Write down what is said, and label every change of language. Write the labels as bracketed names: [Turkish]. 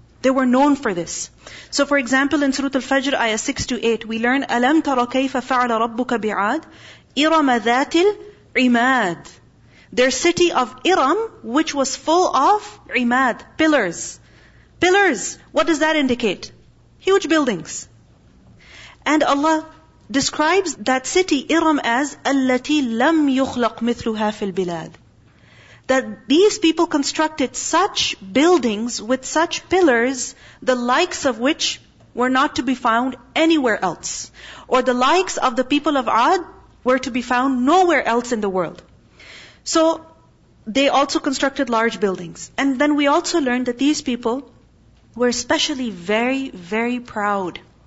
[English] They were known for this. So for example, in Surah Al-Fajr, ayah 6-8, we learn, [Arabic] أَلَمْ تَرَ كَيْفَ فَعْلَ رَبُّكَ بِعَادٍ إِرَمَ ذَاتِ الْعِمَادِ. [English] Their city of Iram, which was full of imad, pillars. Pillars, what does that indicate? Huge buildings. And Allah describes that city, Iram, as [Arabic] التي لم يخلق مثلها في البلاد. [English] That these people constructed such buildings with such pillars, the likes of which were not to be found anywhere else. Or the likes of the people of Ad were to be found nowhere else in the world. So, they also constructed large buildings. And then we also learned that these people were especially very, very proud.